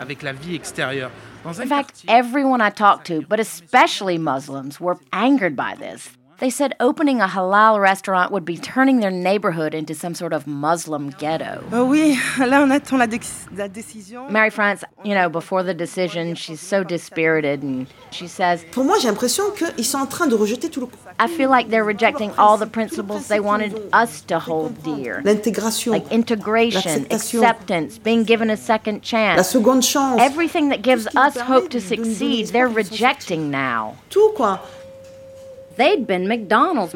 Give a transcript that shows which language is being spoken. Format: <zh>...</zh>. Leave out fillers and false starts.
<en>In fact, everyone I talked to, but especially Muslims, were angered by this. They said opening a halal restaurant would be turning their neighborhood into some sort of Muslim ghetto. Mary France, you know, before the decision, she's so dispirited, and she says,</en> <fr>pour moi, j'ai l'impression qu'ils sont en train de rejeter tout le...</fr> <en>I feel like they're rejecting all the principles they wanted us to hold dear.</en> <fr>L'intégration,</fr> <en>like integration, acceptance, being given a second chance.</en> <fr>La seconde chance.</fr> <en>Everything that gives us hope to succeed, they're rejecting now.</en> <fr>Tout quoi.</fr> <en>They'd been McDonald's.</en>